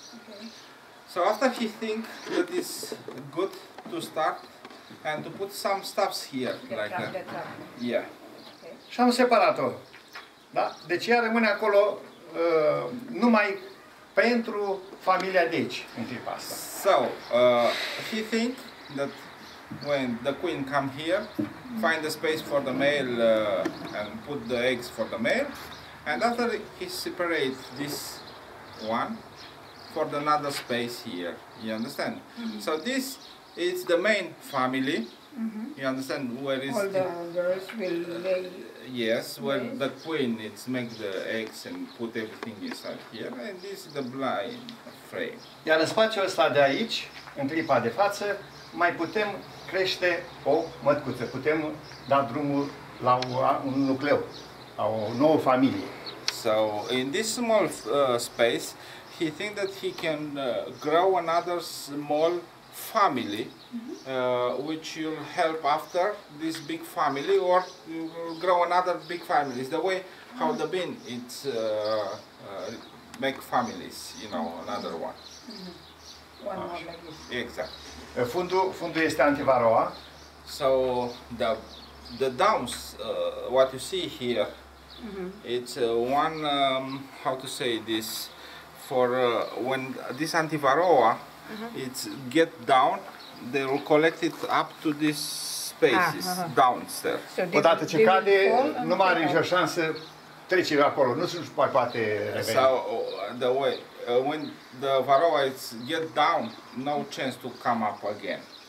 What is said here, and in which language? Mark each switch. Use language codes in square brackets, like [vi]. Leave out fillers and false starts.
[en] Okay. So after he think that it's good to start and to put some stuffs here the trap. Yeah. [ro] Okay. Și am separat-o. Da? Deci ea rămâne acolo numai pentru familia de aici, în clipa asta. [en] So, he think that when the queen come here, find a space for the male and put the eggs for the male. And after he separates this one for another space here, you understand? Mm-hmm. So this is the main family, you understand where is all the girls will lay. Yes, where the queen it's make the eggs and put everything inside here, and this is the blind frame. [ro] Iar în spațiul ăsta de aici, în clipa de față, mai putem crește o mătcuță, putem da drumul la un nucleu. O nouă familie. [en] So in this small space, he think that he can grow another small family, which will help after this big family or grow another big family. It's the way how the bin it make families, you know, another one. One more like this. Exactly. [ro] Fundul este antivaroa. [en] So the downs, what you see here. Mm-hmm. It's one how to say this for when this antivaroa it's get down they will collect it up to this spaces downstairs. [ro] So odată ce cade nu mai are nicio șansă trece acolo, nu se mai poate reveni. [en] So the way when the varoa it's get down no chance to come up again.